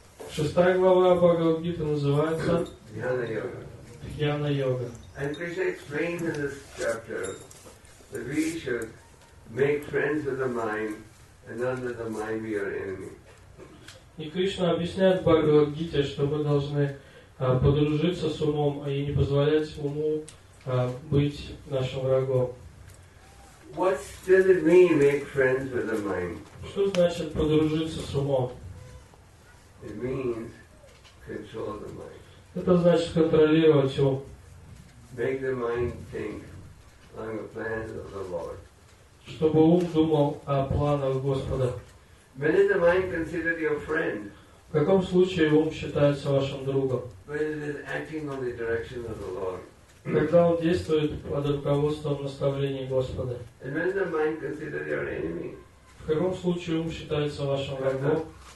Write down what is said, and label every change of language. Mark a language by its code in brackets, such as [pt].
[ru] Шестая глава Бхагавад-гиты называется Дхьяна-йога. [en] And Krishna explains in this chapter that we should make friends with the mind and not let the mind be our enemy. [ru] И Кришна объясняет в Бхагавад-гите, что мы должны подружиться с умом и не позволять уму быть нашим врагом. [en] What does it mean make friends with the mind? [ru] Что значит подружиться с умом? [en] It means control the mind. [ru] Это значит контролировать ум. [en] Make the mind think on the plans of the Lord. [ru] Чтобы ум думал о планах Господа. [en] When is the mind considered your friend? [ru] В каком случае ум считается вашим другом? [en] When it is acting on the direction of the Lord. [ru] Когда он действует под руководством наставлений Господа. В каком случае ум считается вашим врагом?